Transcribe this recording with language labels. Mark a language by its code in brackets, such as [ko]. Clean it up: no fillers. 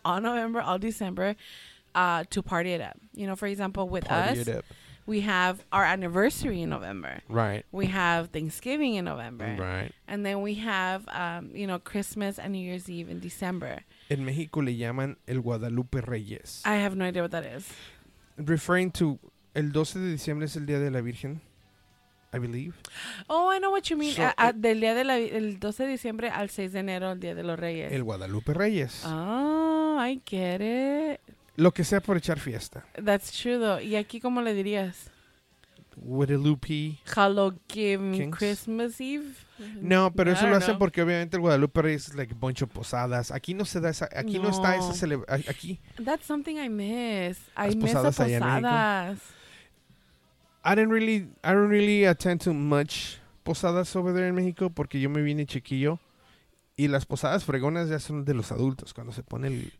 [en] all November, all December, to party it up. You know, for example, with us. We have our anniversary in November. Right. We have Thanksgiving in November. Right. And then we have, you know, Christmas and New Year's Eve in December. [es] En México le llaman el Guadalupe Reyes. [en] I have no idea what that is. Referring to [es] el 12 de diciembre es el Día de la Virgen, [en] I believe. Oh, I know what you mean. [es] So del día de la, el 12 de diciembre al 6 de enero, el Día de los Reyes. El Guadalupe Reyes. [en] Oh, I get it. [es] Lo que sea por echar fiesta. [en] That's true, though. [es] ¿Y aquí cómo le dirías? Guadalupe. [en] Halloween, Kings. Christmas Eve. [es] No, pero eso lo hacen porque obviamente el Guadalupe Reyes es [en] like a bunch of posadas. [es] Aquí no se da esa, aquí no está esa celebración. Aquí. [en] That's something I miss. I miss posadas. [es] Allá en México. [en] I don't really attend to much posadas over there in Mexico [es] porque yo me vine chiquillo. Y las posadas fregonas ya son de los adultos cuando se pone el...